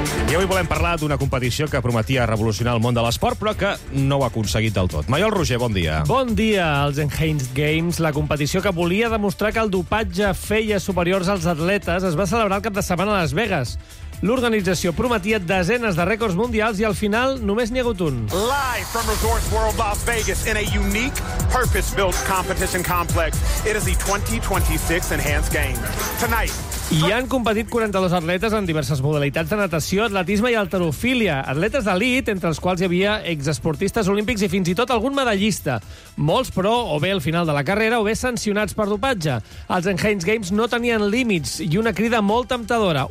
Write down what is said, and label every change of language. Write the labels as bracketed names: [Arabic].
[Catalan] I avui volem parlar d'una competició que prometia revolucionar el món de l'esport, però que no ho ha aconseguit del tot. Maiol Roger, bon dia. Bon dia. Els Enhanced Games, la competició que volia demostrar que el dopatge feia superiors als atletes, es va celebrar el cap de setmana a Las Vegas. L'organització prometia desenes de rècords mundials i al final només n'hi ha hagut un. [English] Live from Resorts World Las Vegas in a unique purpose-built competition complex. It is the 2026 Enhanced Games. Tonight... [Catalan] Hi han competit 42 atletes en diverses modalitats de natació, atletisme i halterofília. Atletes d'elit, entre els quals hi havia exesportistes olímpics i fins i tot algun medallista. Molts, però, o bé al final de la carrera, o bé sancionats per dopatge. Els Enhanced Games no tenien límits i una crida molt temptadora.